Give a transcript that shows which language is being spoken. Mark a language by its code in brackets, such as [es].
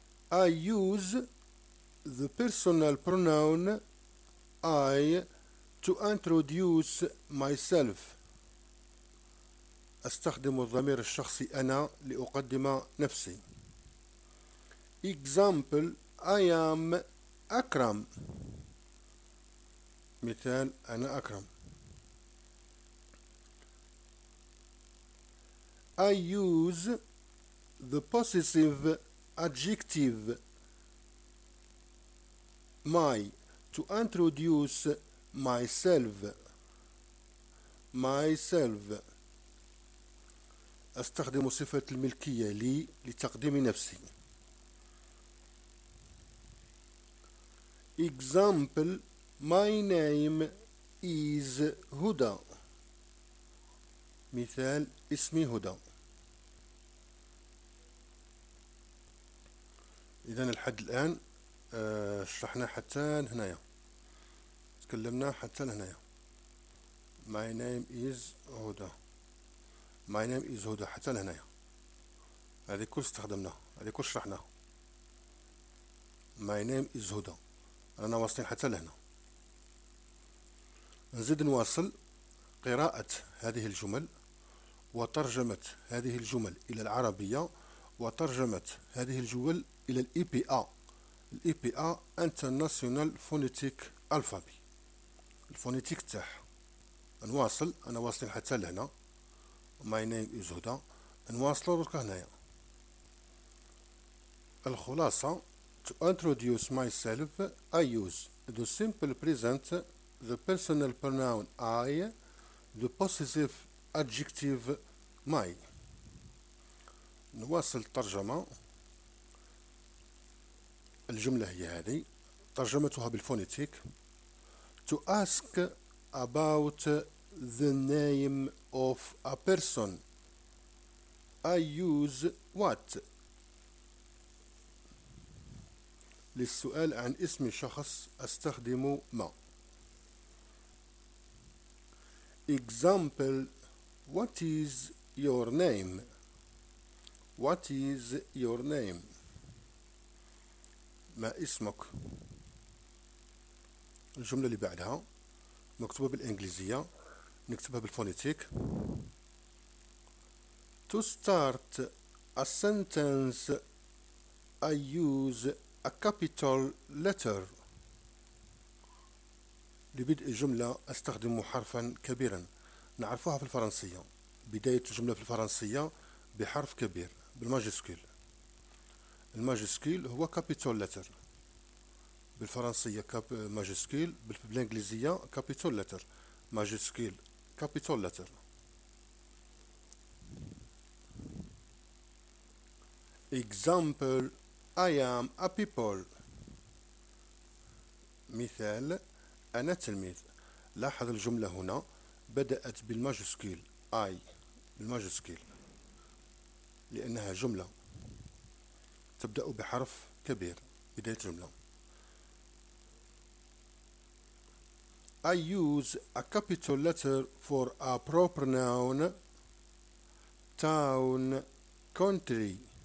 [en] I use the personal pronoun I to introduce myself. [ar] أستخدم الضمير الشخصي أنا لأقدم نفسي. [en] Example: I am Akram. [ar] مثال: أنا أكرم. [en] I use the possessive adjective my to introduce myself. Myself. [ar] أستخدم صفة الملكية لي لتقديم نفسي. [en] Example: My name is Huda. [ar] مثال: اسمي هدى. إذا لحد الآن شرحنا حتى هنايا، تكلمنا حتى هنايا. [en] My name is هدى. My name is [ar] هدى حتى هنايا. هذه كل استخدمنا، هذه كل شرحنا. [en] My name is هدى. [ar] أنا واصلين حتى لهنا. نزيد نواصل قراءة هذه الجمل وترجمة هذه الجمل إلى العربية وترجمة هذه الجمل إلى الـ EPA. الـ EPA International Phonetic Alphabet. الفونيتيك تاعها. نواصل، أنا واصلين حتى لهنا. [en] My name is هدى. [ar] نواصل درك هنايا. [en] الخلاصة: To introduce myself, I use the simple present, the personal pronoun I, the possessive adjective my. [ar] نواصل الترجمة. الجملة هي هذه، ترجمتها بالفونيتيك. [en] To ask about the name of a person, I use what? [ar] للسؤال عن اسم شخص أستخدم ما. [en] Example: What is your name? What is your name? [ar] ما اسمك؟ الجملة اللي بعدها مكتوبة بالإنجليزية، نكتبها بالفونيتيك. [en] To start a sentence, I use a capital letter. [ar] لبدء الجملة أستخدم حرفا كبيرا. نعرفها في الفرنسية، بداية الجملة في الفرنسية بحرف كبير بالماجسكيل. الماجسكيل هو كابيتول لتر بالفرنسية، ماجسكيل بالإنجليزية كابيتول لتر، ماجسكيل كابيتول لتر. [en] example I am a pupil، [ar] مثال أنا تلميذ. لاحظ الجملة هنا بدأت بالماجسكيل I الماجسكيل لأنها جملة تبدأ بحرف كبير بداية الجملة. [en] I use a capital letter for a proper noun، town، country.